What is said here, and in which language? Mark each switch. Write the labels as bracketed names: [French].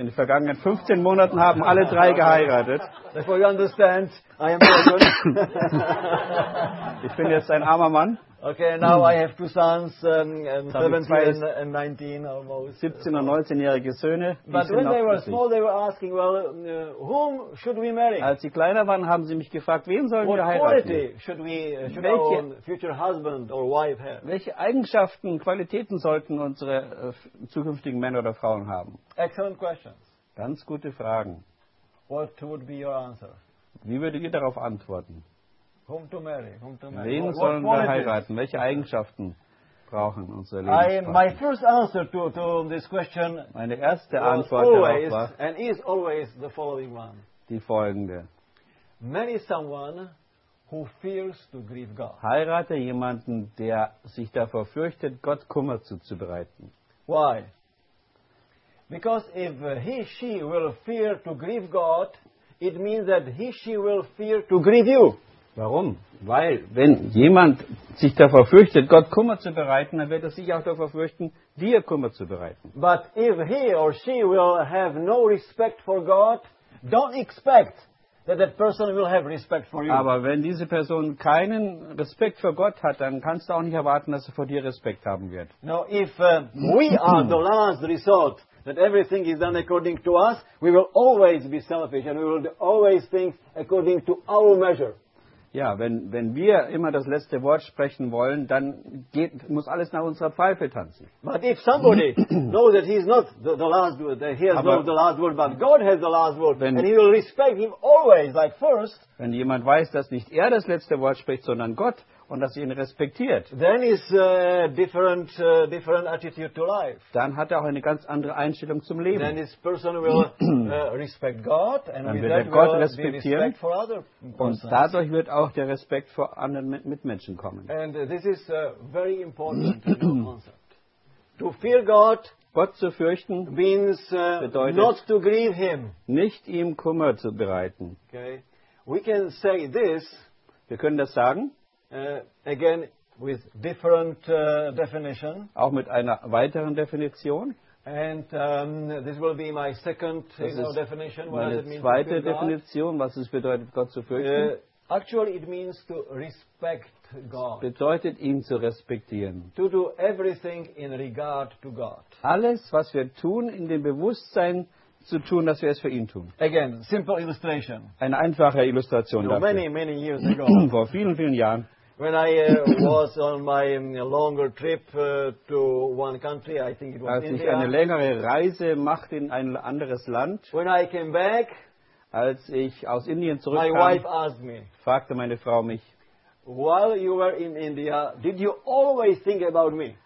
[German] In den vergangenen 15 Monaten haben alle drei geheiratet. [English] Therefore you understand, I am broken. [German] Ich bin jetzt ein armer Mann. [English] Okay, now I have two sons, 17 and 19 almost. [German] 17 und 19-jährige Söhne. [English] But when they were small, they were asking, well, whom should we marry? [German] Als sie kleiner waren, haben sie mich gefragt, wen sollen wir heiraten? [English] What quality should we, should our future husband or wife have? [German] Welche Eigenschaften, Qualitäten sollten unsere zukünftigen Männer oder Frauen haben? [English] Excellent questions. [German] Ganz gute Fragen. [English] What would be your answer? [German] Wie würdet ihr darauf antworten? [English] Whom to marry? [German] Wen sollen wir heiraten? Welche Eigenschaften brauchen unsere Lebenspartner? [English] My first answer to this question [German] meine erste Antwort darauf war [English] and is always the following one. [German] Die folgende. [English] Marry someone who fears to grieve God. [German] Heirate jemanden, der sich davor fürchtet, Gott Kummer zuzubereiten. [English] Why? Because if he, she will fear to grieve God, it means that he, she will fear to grieve you. [German] Warum? Weil, wenn jemand sich davor fürchtet, Gott Kummer zu bereiten, dann wird er sich auch davor fürchten, dir Kummer zu bereiten. [English] But if he or she will have no respect for God, don't expect that that person will have respect for you. [German] Aber wenn diese Person keinen Respekt vor Gott hat, dann kannst du auch nicht erwarten, dass er vor dir Respekt haben wird. [English] Now, if we are the last resort, that everything is done according to us, we will always be selfish and we will always think according to our measure. [German] Ja, wenn wir immer das letzte Wort sprechen wollen, dann muss alles nach unserer Pfeife tanzen. [English] But if somebody knows that he is not the last word, that he has not the last word, but God has the last word, and he will respect him always, like first. [German] Wenn jemand weiß, dass nicht er das letzte Wort spricht, sondern Gott, und dass er ihn respektiert, [English] then is a different attitude to life. [German] Dann hat er auch eine ganz andere Einstellung zum Leben. [English] Then this person will respect God, and [German] dann [English] with [German] wird [English] that [German] Gott [English] will [German] respektieren, [English] be respect for other persons. [German] Und dadurch wird auch der Respekt vor anderen Mitmenschen kommen. [English] And this is a very important concept. To fear God, [German] Gott zu fürchten, [English] means [German] bedeutet, [English] not to grieve him. [German] Nicht ihm Kummer zu bereiten. [English] Okay. We can say this. [German] Wir können das sagen. [English] Again, with different definition. [German] Auch mit einer weiteren Definition. [English] And this will be my second definition. [German] Meine [English] what does it mean [German] zweite [English] to fear [German] Definition, [English] God? [German] Was es bedeutet, Gott zu fürchten. [English] Actually, it means to respect God. [German] Bedeutet, ihn zu respektieren. [English] To do everything in regard to God. [German] Alles, was wir tun, in dem Bewusstsein zu tun, dass wir es für ihn tun. [English] Again, simple illustration. [German] Eine einfache Illustration dafür. [English] Many years ago, [German] vor vielen, vielen Jahren, [English] when I was on my longer trip to one country, I think it was [German] als [English] India, [German] ich eine längere Reise machte in ein anderes Land, [English] when I came back, [German] als ich aus Indien zurückkam, [English] my wife asked me, [German] fragte meine Frau mich, [English] while you were in India, did you always think about me?